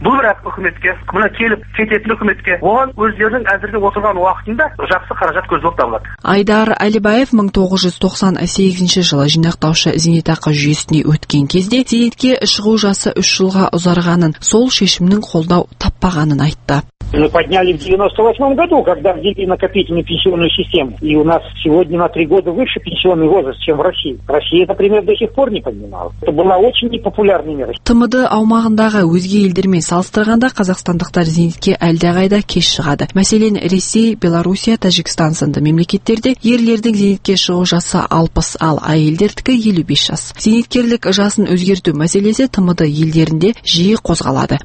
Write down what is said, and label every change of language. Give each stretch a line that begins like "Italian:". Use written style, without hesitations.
Kazakh: Бұл бірақ үкіметке, мына келіп кететін үкіметке, оған өздерінің әзірге отырған уақытында жақсы қаражат көзі болып табылады. Айдар Әлібаев 1998 жылы жинақтаушы зейнетақы жүйесіне өткен кезде зейнетке шығу жасы 3 жылға ұзарғанын, сол сол шешімнің қолдау таппағанын айтты.
Russian: Мы подняли в 98 году, когда ввели накопительную пенсионную систему. И у нас сегодня на 3 года выше пенсионный возраст, чем в России. Россия, например, до сих пор не поднимала. Это была очень непопулярная мера.
Kazakh: ТМД аумағындағы өзге елдермен салыстырғанда қазақстандықтар зейнетке әлдеқайда кеш шығады. Мәселен, Ресей, Белоруссия, Тәжікстан сынды мемлекеттерде ерлердің зейнетке шығу жасы 60, ал әйелдердікі 55 жас. Зейнеткерлік жасын өзгерту мәселесі ТМД елдерінде жиі қозғалады.